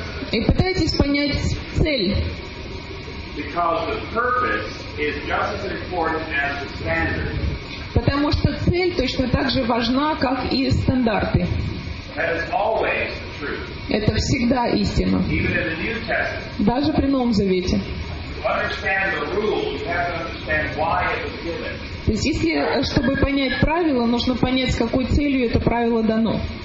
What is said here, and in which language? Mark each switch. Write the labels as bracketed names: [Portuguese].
[Russian] И пытайтесь понять цель. [English] Because the purpose is just as important as the standard. [Russian] Потому что цель точно так же важна, как и стандарты. [English] That is always true. [Russian] Это всегда истина. [English] Even in the New Testament. [Russian] Даже при Новом Завете. [English] To understand the rules, you have to understand why it was given. [Russian] То есть, если, чтобы понять правила, нужно понять, с какой целью это правило дано.